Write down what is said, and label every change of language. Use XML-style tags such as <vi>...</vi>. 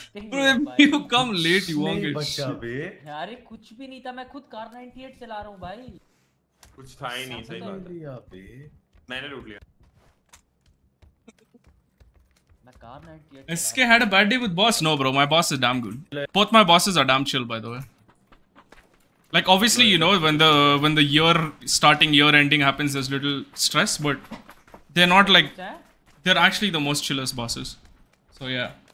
<en>Bro, you come late, you won't get shit.</en> <hi>अरे कुछ भी नहीं था, मैं खुद car 98 चला रहा हूँ भाई. कुछ था ही नहीं सही बात है. मैंने लूट लिया. मैं</hi> <en>SK had a bad day with boss? No, bro. My boss is damn good. Both my bosses are damn chill, by the way. Like, obviously, you know, when the year starting, year ending happens, there's little stress, but they're not like, they're actually the most chillest bosses. So, yeah.</en>